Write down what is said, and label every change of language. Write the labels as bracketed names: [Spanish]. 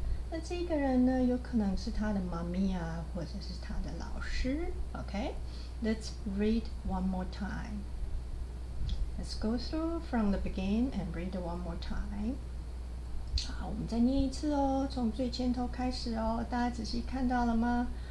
[Chinese] 那这个人呢有可能是他的妈咪啊或者是他的老师。 [English] Okay, let's read one more time. Let's go through from the beginning and read one more time. [Chinese] 好，我们再念一次哦，从最前头开始哦，大家仔细看到了吗？